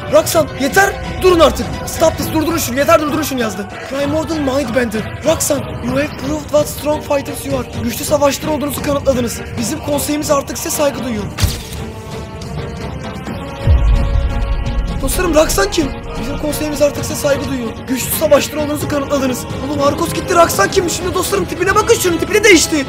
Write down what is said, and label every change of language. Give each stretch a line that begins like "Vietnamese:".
Turkish: Roxanne yeter durun artık.
English: Stop this
Turkish: durdurun şunu yeter durdurun şunu yazdı.
English: Primordial Mindbender. Roxanne you have proved what strong fighters you are.
Turkish: Güçlü savaşçılar olduğunuzu kanıtladınız. Bizim konseyimiz artık size saygı duyuyor. Dostlarım Roxanne kim? Bizim konseyimiz artık size saygı duyuyor. Güçlü savaşçılar olduğunuzu kanıtladınız. Oğlum Harikos gitti Roxanne kim? Şimdi dostlarım tipine bakın şunun tipini değişti.